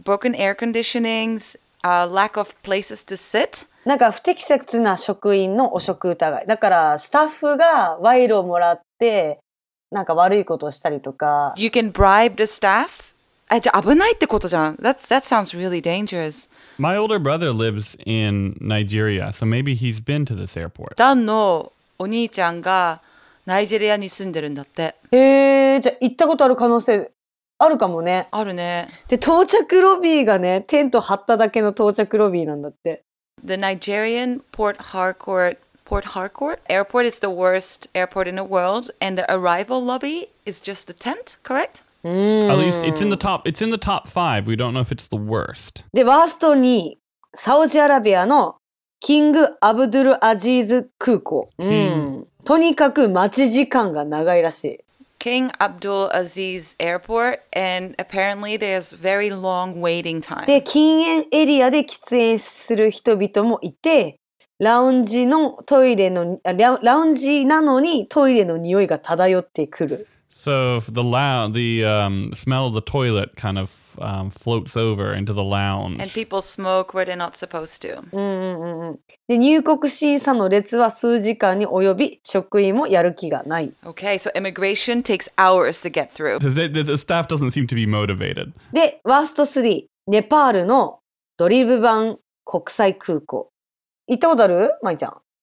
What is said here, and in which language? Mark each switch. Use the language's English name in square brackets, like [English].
[English] Broken air conditionings, lack of places to sit. [Japanese] なんか不適切な職員の汚職疑い。だからスタッフが賄賂をもらって、なんか悪いことをしたりとか。 [English] You can bribe the staff? [Japanese] あ、じゃ危ないってことじゃん。 [English] That sounds really dangerous. My older brother lives in Nigeria, so maybe he's been to this airport. [Japanese] ダンのお兄ちゃんがナイジェリアに住んでるんだって。へえー、じゃあ行ったことある可能性あるかもね。あるね。で、到着ロビーがね、テント張っただけの到着ロビーなんだって。 [English] The Nigerian Port Harcourt Airport is the worst airport in the world, and the arrival lobby is just a tent, correct? Mm. At least it's in the top five. We don't know if it's the worst. [Japanese] で、ワースト2位、サウジアラビアのキング・アブドゥル・アジーズ空港。うん。とにかく待ち時間が長いらしい。 [English] King Abdul Aziz Airport, and apparently there's very long waiting time. [Japanese] で、禁煙エリアで喫煙する人々もいて、ラウンジなのにトイレの匂いが漂ってくる。 [English] So the smell of the toilet kind of floats over into the lounge. And people smoke where they're not supposed to. [Japanese] で、入国審査の列は数時間に及び、職員もやる気がない。 [English] Okay, so immigration takes hours to get through. The staff doesn't seem to be motivated. [Japanese] で、ワースト3、ネパールのドリブバン国際空港。行ったことある?マイちゃん。